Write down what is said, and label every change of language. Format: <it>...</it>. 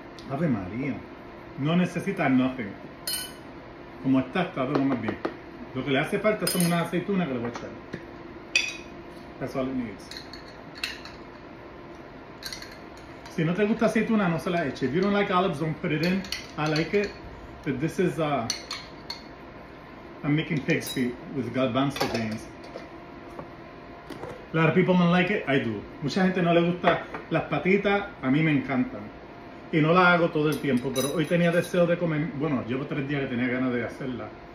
<es>Ave María. No necesita</es> <en>nothing.</en> <es>Como está todo más bien. Lo que le hace falta son una aceituna que le voy a echar.</es> <en>That's all it needs.</en> <es>Si no te gusta aceituna, no se la eche.</es> <en>If you don't like olives, don't put it in. I like it, but this is, I'm making pig's feet with garbanzo beans. A lot of people don't like it, I do.</en> <es>Mucha gente no le gusta las patitas, a mí me encantan. Y no las hago todo el tiempo, pero hoy tenía deseo de comer, bueno, llevo 3 días que tenía ganas de hacerlas.</es>